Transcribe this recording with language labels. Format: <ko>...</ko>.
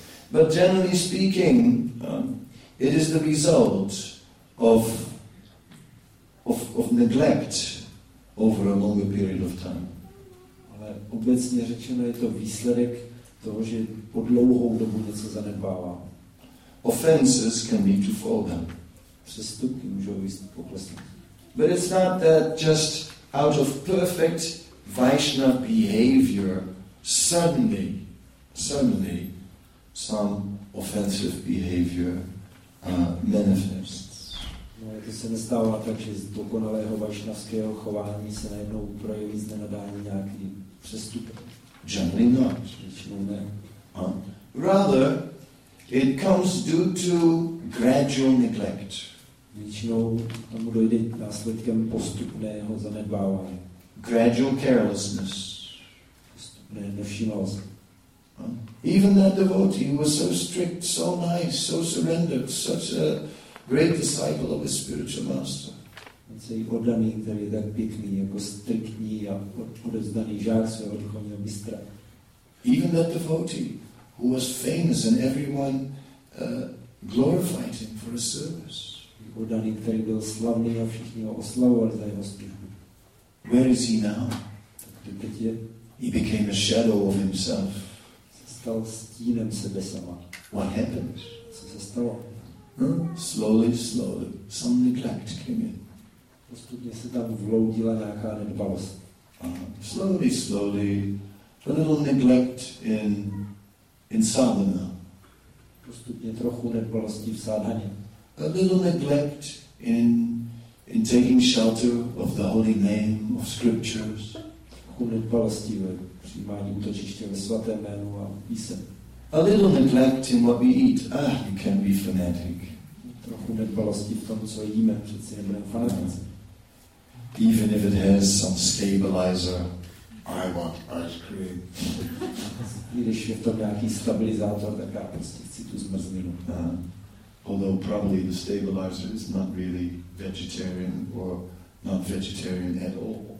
<en>But generally speaking, it is the result of neglect over a longer period of time.</en> <cs>Ale obecně řečeno je to výsledek toho, že po dlouhou dobu něco zanedbávám.</cs> <en>Offenses can lead to fall down.</en> <cs>Přestupky můžou vést k poklesu.</cs> <en>But it's not that just out of perfect Vaishnava behavior suddenly some offensive behavior manifests.</en> <cs>No, to se nestává tak, že z dokonalého vaishnavského chování se najednou projeví znenadání nějaký přestupek.</cs> <en>Generally not.</en> <cs>Většinou ne.</cs> <en>Rather, it comes due to gradual neglect.</en> <cs>Většinou tomu dojde následkem postupného zanedbávání.</cs> <en>Gradual carelessness.</en> <cs>Postupné nevšimnost.</cs> <en>Even that devotee was so strict, so nice, so surrendered, such a great disciple of his spiritual master.</en> <cs>Celý oddaný, který je tak pěkný, jako striktní a odevzdaný žák svého duchovního mistra.</cs> <en>Even that devotee, who was famous and everyone glorified him for his service.</en> <cs>Oddaný, který byl slavný a všichni ho oslavovali za jeho službu.</cs> <en>Where is he now?</en> <cs>Teď je.</cs> <en>He became a shadow of himself.</en> <cs>Stal stínem sebe sama.</cs> <en>What happened?</en> <cs>Co se stalo?</cs> <en>Slowly, slowly, some neglect came in.</en> <cs>Postupně se tam vloudila nějaká nedbalost.</cs> <en>Slowly, slowly, a little neglect in sadhana.</en> <cs>Postupně trochu nedbalosti v sadhaně.</cs> <en>A little neglect in taking shelter of the holy name of scriptures.</en> <cs>Trochu nedbalosti ve přijímání útočiště ve svatém jménu a písem.</cs> <en>A little neglect in what we eat. You can be fanatic.</en> <cs>Trochu nedbalosti v tom, co jíme, přeci nebudeme fanatici.</cs> <en>Even if it has some stabilizer, I want ice cream.</en> <cs>Když je to nějaký stabilizátor, tak já prostě chci tu zmrzlinu.</cs> <en>Although probably the stabilizer is not really vegetarian or not vegetarian at all.</en>